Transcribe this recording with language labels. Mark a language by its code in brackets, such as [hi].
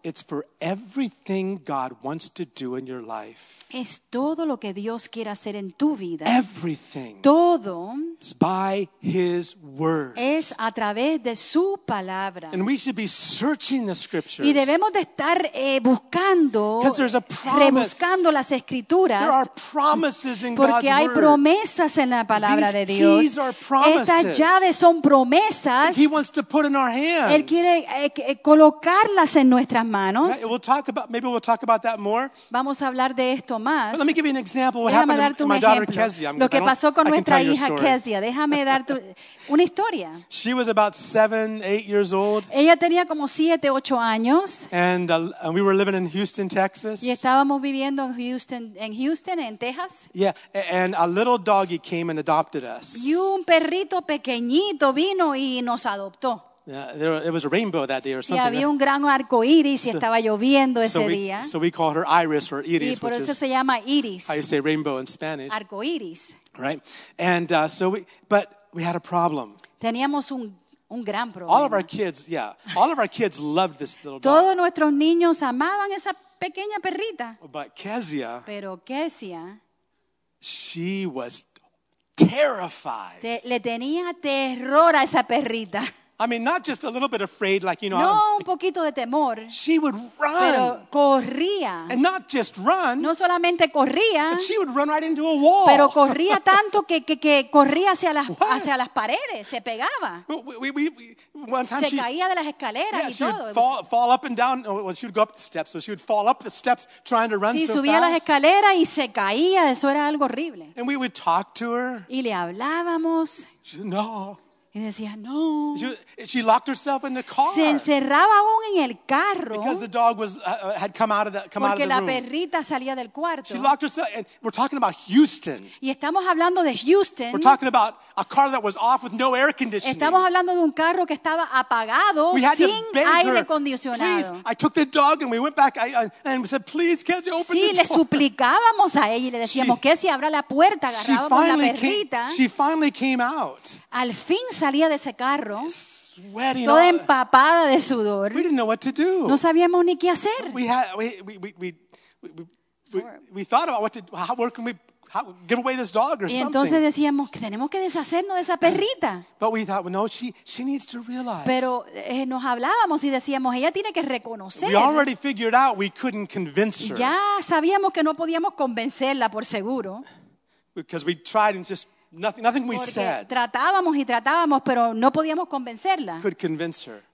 [en] It's for everything God wants to do in your life. [es] Es todo lo que Dios quiere hacer en tu vida. [en] Everything. [es] Todo. [en] It's by his word. [es] Es a través de su palabra. [en] And we should be searching the scriptures. [es] Y debemos de estar buscando, [en] because there's a promise. [es] Rebuscando las escrituras. [en] There are promises in God's word. [es] Porque hay promesas en la palabra [en] these [es] de Dios. [en] Keys are promises. [es] Estas llaves son promesas. [en] He wants to put in our hands. [es] Él quiere colocarlas en nuestras manos. [en] Maybe we'll talk about that more. [es] Vamos a hablar de esto. [en] But let me give you an example of what happened to my daughter Kezia. [es] Lo que pasó con nuestra hija Kezia. Déjame darte una historia. [en] She was about 7-8 years old. [es] Ella tenía como 7-8 años. [en] And we were living in Houston, Texas. [es] Y estábamos viviendo en Houston, en Texas. [en] Yeah, and a little doggy came and adopted us. [es] Y un perrito pequeñito vino y nos adoptó. [en] Yeah, it was a rainbow that day or something. [es] Y había un gran arco iris y estaba lloviendo ese día. [en] So we called her Iris or Iris. [es] Y por eso se llama Iris. [en] How you say rainbow in Spanish? [es] Arco iris. [en] Right, and so we had a problem. [es] Teníamos un gran problema. [en] All of our kids, yeah, all of our kids loved this little dog. [es] Todos nuestros niños amaban esa pequeña perrita. [en] But Kezia. [es] Pero Kezia. [en] She was terrified. [es] Le tenía terror a esa perrita. [en] I mean, not just a little bit afraid, like, you know. [es] No, un poquito de temor. [en] She would run. [es] Pero corría. [en] And not just run. [es] No solamente corría. [en] But she would run right into a wall. [es] Pero corría tanto que corría hacia las paredes. Se pegaba. [en] One time [es] se [en] she, [es] caía de las escaleras [en] yeah, [es] y todo. [en] Yeah, she would fall up and down. Well, she would go up the steps. So she would fall up the steps trying to run [es] sí, [en] so fast. [es] Sí, subía las escaleras y se caía. Eso era algo horrible. [en] And we would talk to her. [es] Y le hablábamos. [en] She, no. [es] Y decía, no. [en] She locked herself in the car. [es] Se encerraba aún en el carro. [en] Because the dog was had come out of the room. [es] Porque la perrita salía del cuarto. [en] She locked herself, and we're talking about Houston. [es] Y estamos hablando de Houston. [en] We're talking about a car that was off with no air conditioning. [es] Estamos hablando de un carro que estaba apagado sin aire acondicionado. [en] Please, I took the dog and we went back and we said, please, Kezia, open the door. [es] Sí, le suplicábamos a ella y le decíamos, Kezia, abra la puerta. Agarrábamos la perrita. [en] She finally came out. [es] Al fin salía de ese carro. [en] Sweating [es] toda empapada de sudor. [en] We didn't know what to do. [es] No sabíamos ni qué hacer. [en] We thought about how give away this dog or something. [es] Y entonces decíamos que tenemos que deshacernos de esa perrita. [en] But we thought, well, no, she needs to realize. [es] Pero nos hablábamos y decíamos, ella tiene que reconocer. [en] We already figured out we couldn't convince her. [es] Ya sabíamos que no podíamos convencerla por seguro. [en] Because we tried and just nothing we [es] porque [en] said. [es] Tratábamos y tratábamos, pero no podíamos convencerla. [en] Could convince her.